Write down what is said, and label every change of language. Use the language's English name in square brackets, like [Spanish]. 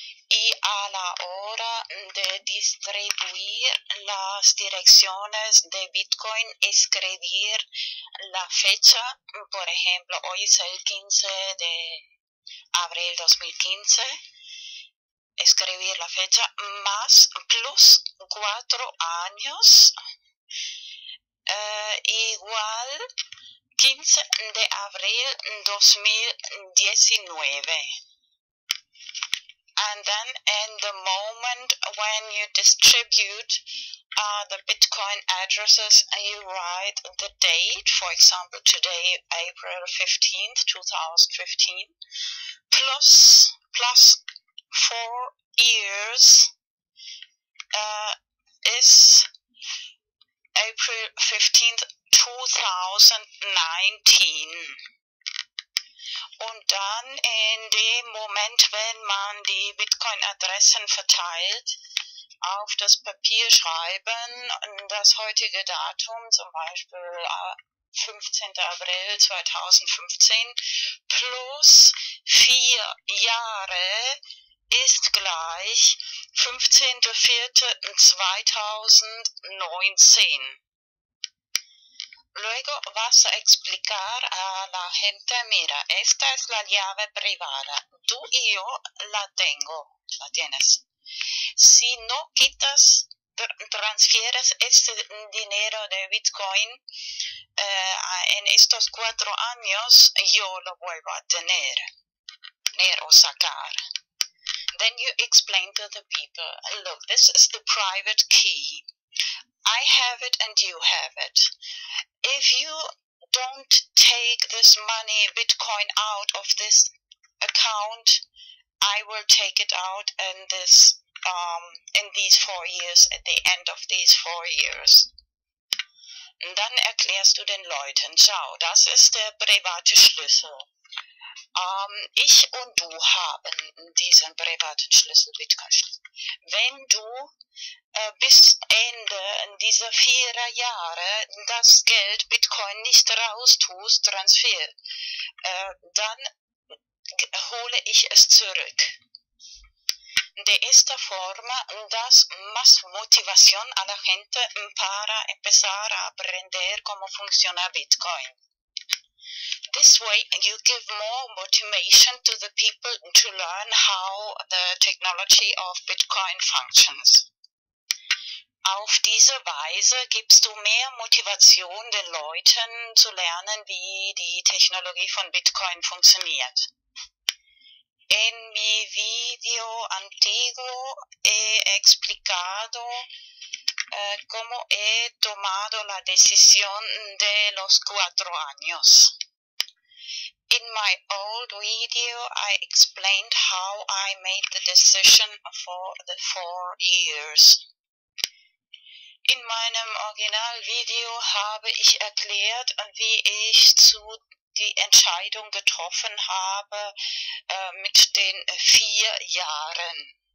[Spanish] Y a la hora de distribuir las direcciones de Bitcoin, escribir la fecha, por ejemplo, hoy es el 15 de abril 2015, escribir la fecha más plus 4 años, igual 15 de abril 2019. [English] And then in the moment when you distribute the Bitcoin addresses, you write the date, for example, today, April 15th, 2015, plus 4 years is April 15th, 2019. [German] Und dann in dem Moment, wenn man die Bitcoin-Adressen verteilt, auf das Papier schreiben, das heutige Datum, zum Beispiel 15. April 2015, plus 4 Jahre, ist gleich 15.04.2019. [Spanish] Luego vas a explicar a la gente, mira, esta es la llave privada. Tú y yo la tengo, la tienes. Si no quitas, transfieres este dinero de Bitcoin en estos 4 años, yo lo vuelvo a tener o sacar. [English] Then you explain to the people, look, this is the private key. I have it and you have it. If you don't take this money, Bitcoin, out of this account, I will take it out in this, in these 4 years, at the end of these 4 years. [German] Und dann erklärst du den Leuten, schau, das ist der private Schlüssel. Ich und du haben diesen privaten Schlüssel, Bitcoin-Schlüssel. Wenn du bis Ende dieser 4 Jahre das Geld Bitcoin nicht raus tust, Transfer, dann hole ich es zurück. [Spanish] De esta forma das más motivación a la gente para empezar a aprender cómo funciona Bitcoin. [English] This way, you give more motivation to the people to learn how the technology of Bitcoin functions. [German] Auf diese Weise gibst du mehr Motivation den Leuten zu lernen, wie die Technologie von Bitcoin funktioniert. [Spanish] En mi video antiguo he explicado cómo he tomado la decisión de los 4 años. [English] In my old video, I explained how I made the decision for the 4 years. [German] In meinem Originalvideo habe ich erklärt, wie ich zu die Entscheidung getroffen habe mit den 4 Jahren.